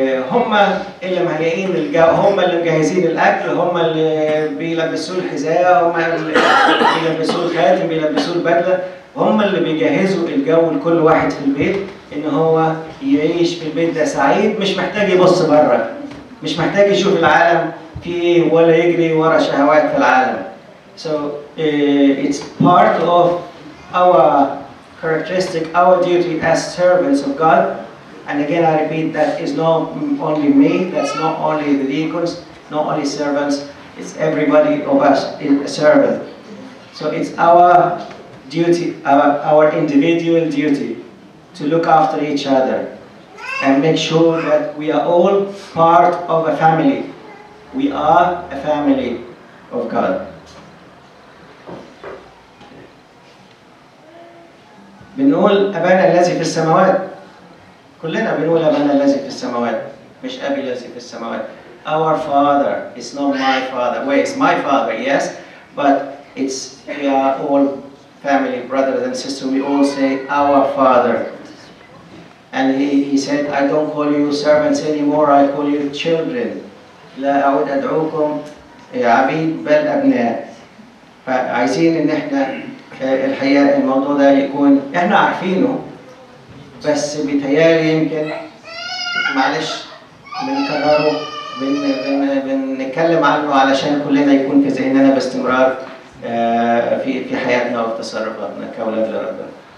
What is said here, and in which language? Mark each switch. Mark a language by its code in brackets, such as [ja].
[ar] هم اللي مهيئين الجو، هم اللي مجهزين الاكل، هم اللي بيلبسوا الحذاء، هم اللي بيلبسوا الخاتم، بيلبسوا البدله، هم اللي بيجهزوا الجو لكل واحد في البيت ان هو يعيش في البيت ده سعيد، مش محتاج يبص بره، مش محتاج يشوف العالم في ايه، ولا يجري ورا شهوات في العالم. [en] So it's part of our characteristic, our duty as servants of God. And again I repeat, that is not only me, that's not only the deacons, not only servants, it's everybody of us is a servant. So it's our duty, our individual duty to look after each other and make sure that we are all part of a family. We are a family of God. [ar] بنقول أبانا الذي في السماوات. كلنا بنقول أبانا الذي في السماوات، مش أبي الذي في السماوات. [en] Our Father, it's not my Father. Wait, it's my Father, yes, but it's we are all family, brothers and sisters, we all say our Father. And he said, I don't call you servants anymore, I call you children. [ar] لا أعود أدعوكم يا عبيد بل أبناء. فعايزين إن إحنا الحقيقة الموضوع ده يكون إحنا عارفينه، بس بيتهيألي يمكن معلش بنكرره بنتكلم عنه علشان كلنا يكون في ذهننا باستمرار في حياتنا وتصرفاتنا كأولاد لربنا.